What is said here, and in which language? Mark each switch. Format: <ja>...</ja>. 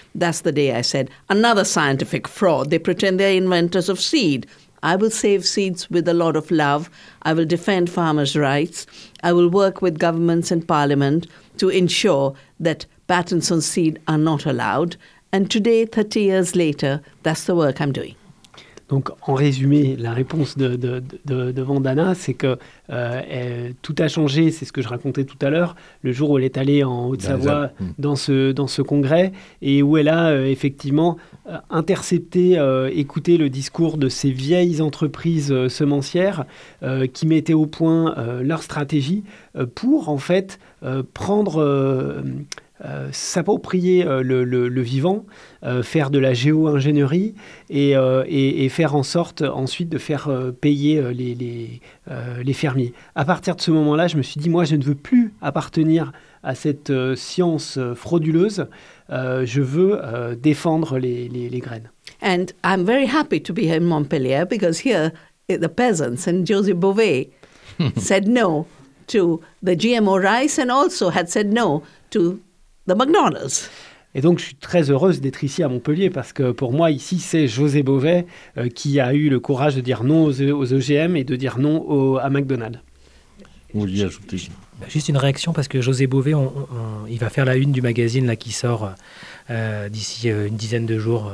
<en>That's the day I said, another scientific fraud. They pretend they're inventors of seed. I will save seeds with a lot of love. I will defend farmers' rights. I will work with governments and parliament to ensure that patents on seed are not allowed. And today, 30 years later, that's the work I'm doing.</en> <fr>Donc, en résumé, la réponse de Vandana, c'est que tout a changé, c'est ce que je racontais tout à l'heure, le jour où elle est allée en Haute-Savoie dans ce congrès et où elle a effectivement intercepté, écouté le discours de ces vieilles entreprises semencières qui mettaient au point leur stratégie pour, en fait, prendre... s'approprier le vivant, faire de la géo-ingénierie et faire en sorte ensuite de faire payer les fermiers. À partir de ce moment-là, je me suis dit, moi, je ne veux plus appartenir à cette science frauduleuse. Je veux défendre les graines.</fr> <en>And I'm very happy to be here in Montpellier because here the peasants and Joseph Bové said no to the GMO rice and also had said no to the McDonald's.</en> <fr>Et donc, je suis très heureuse d'être ici à Montpellier parce que pour moi, ici, c'est José Bové qui a eu le courage de dire non aux OGM et de dire non à McDonald's. Vous vouliez ajouter ? Juste une réaction parce que José Bové, il va faire la une du magazine là, qui sort d'ici une dizaine de jours.</fr>